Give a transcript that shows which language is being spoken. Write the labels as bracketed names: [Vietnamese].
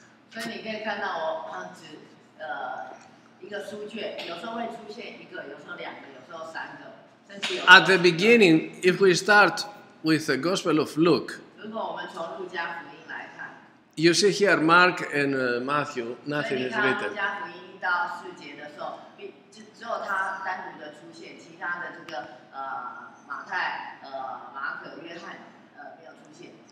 [Chinese] 所以你可以看到我放置一个书卷，有时候会出现一个，有时候两个，有时候三个，甚至有。 [English] At the beginning, if we start with the Gospel of Luke. [Chinese] 如果我们从路加福音来看。 [English] You see here, Mark and Matthew, nothing is written. [Chinese] 所以你看路加福音到四节的时候。只有他单独的出现，其他的这个马太、马可、约翰没有出现。